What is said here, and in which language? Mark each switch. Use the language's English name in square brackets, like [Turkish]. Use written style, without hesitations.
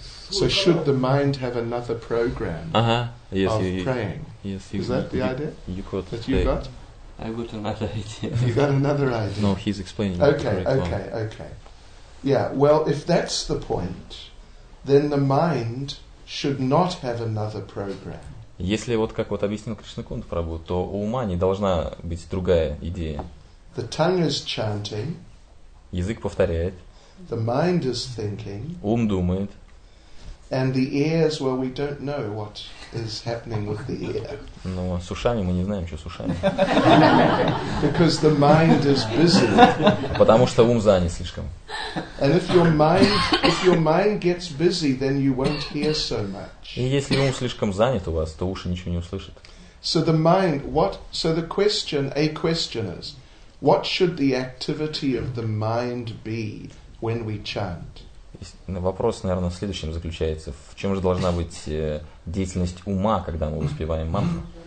[English] So should the mind have another program praying? Yes, is that the idea? You got? I got another idea. You got another idea? No, he's explaining. Okay. Yeah, well, if that's the point, then the mind should not have another program. [Russian] Если вот как вот объяснил Кришнакунд Прабху, то у ума не должна быть другая идея. [English] The tongue is chanting. [Russian] Язык повторяет. [English] The mind is thinking. [Russian] Ум думает. [English] And the ears, well, we don't know what is happening with the ear. [Russian] Ну, с ушами мы не знаем, что с ушами. [English] Because the mind is busy. [Russian] Потому что ум занят слишком. [English] And if your mind gets busy, then you won't hear so much. [Russian] И если ум слишком занят у вас, то уши ничего не услышат. [English] So the mind, the question is, what should the activity of the mind be? When we chant. [Russian] Вопрос, наверное, в следующем заключается. В чем же должна быть деятельность ума, когда мы воспеваем мантру?